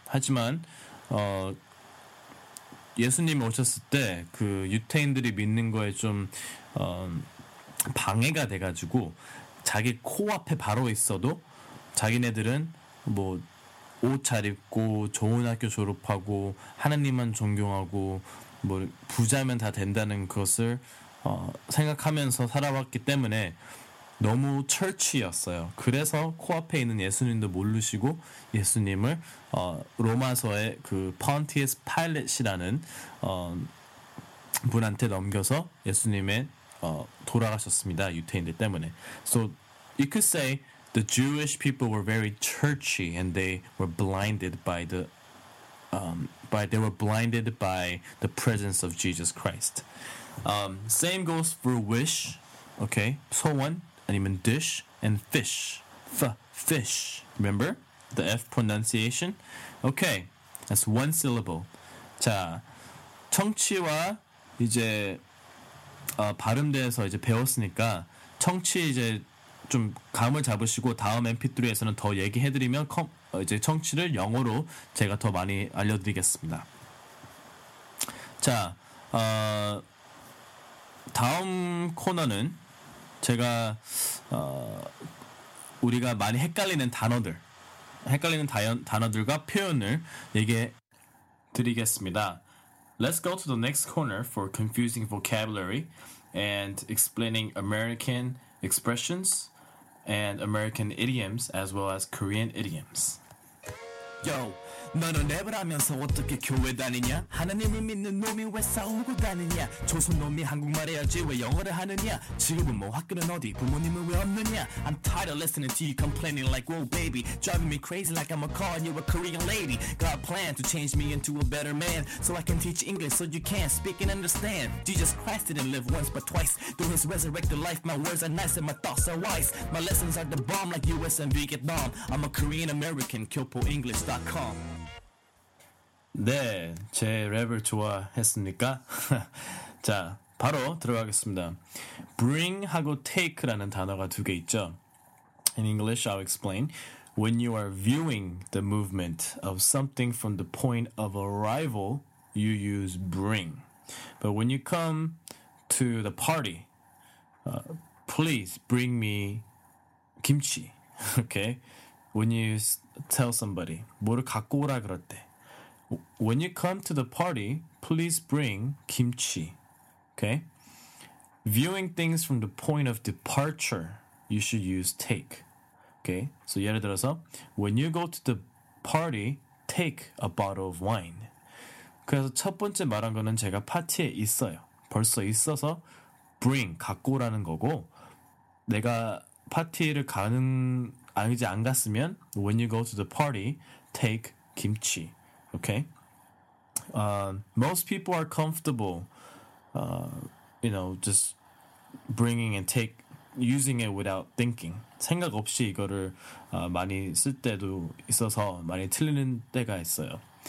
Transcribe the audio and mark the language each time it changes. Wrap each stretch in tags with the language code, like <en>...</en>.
<ko>하지만 예수님이 오셨을 때 그 유태인들이 믿는 거에 좀 방해가 돼가지고 자기 코앞에 바로 있어도 자기네들은 뭐 옷 잘 입고 좋은 학교 졸업하고 하나님만 존경하고 뭐 부자면 다 된다는 것을 생각하면서 살아왔기 때문에 너무 철치였어요. 그래서 코앞에 있는 예수님도 모르시고 예수님을 로마서의 그 폰티우스 파일럿이라는 분한테 넘겨서 예수님의 돌아가셨습니다. 유태인들 때문에.</ko> <en>So you could say the Jewish people were very churchy and they were blinded by the they were blinded by the presence of Jesus Christ. Same goes for wish. Okay.</en> <ko>소원 아니면</ko> <en>dish and fish. Fish. Remember the F pronunciation? Okay. That's one syllable.</en> <ko>자, 청취와 이제 발음대에서 이제 배웠으니까 청취 이제 좀 감을 잡으시고 다음 MP3에서는 더 얘기해드리면 이제 청취를 영어로 제가 더 많이 알려드리겠습니다. 자, 다음 코너는 제가 우리가 많이 헷갈리는 단어들, 헷갈리는 단어들과 표현을 얘기해드리겠습니다.</ko> <en>Let's go to the next corner for confusing vocabulary and explaining American expressions and American idioms as well as Korean idioms.</en> <ko>Yo, 너는 랩을 하면서 어떻게 교회 다니냐? 하나님을 믿는 놈이 왜 싸우고 다니냐? 조선 놈이 한국말 해야지 왜 영어를 하느냐? 직업은 뭐 학교는 어디 부모님은 왜 없느냐?</ko> <en>I'm tired of listening to you complaining like whoa baby driving me crazy like I'm a car and you're a Korean lady got a plan to change me into a better man so I can teach English so you can speak and understand Jesus Christ didn't live once but twice through his resurrected life my words are nice and my thoughts are wise my lessons are the bomb like US and Vietnam I'm a Korean American KyopoEnglish.com</en> <ko>네, 제 랩을 좋아했습니까? 자, 바로 들어가겠습니다. Bring 하고 take라는 단어가 두 개 있죠.</ko> <en>In English, I'll explain. When you are viewing the movement of something from the point of arrival, you use bring. But when you come to the party, please bring me kimchi. Okay? When you tell somebody,</en> <ko>뭐를 갖고 오라 그럴 때.</ko> <en>When you come to the party, please bring kimchi. Okay? Viewing things from the point of departure, you should use take. Okay? So</en> <ko>예를 들어서,</ko> <en>when you go to the party, take a bottle of wine.</en> <ko>그래서 첫 번째 말한 거는 제가 파티에 있어요. 벌써 있어서 bring, 갖고 오라는 거고 내가 파티를 가는 아니지 안 갔으면</ko> <en>when you go to the party, take kimchi.</en> <ko>Okay.</ko> <en>Most people are comfortable, you know, just bringing and take, using it without thinking.</en> <ko>생각 없이 이거를 많이 쓸 때도 있어서 많이 틀리는 때가 있어요.</ko>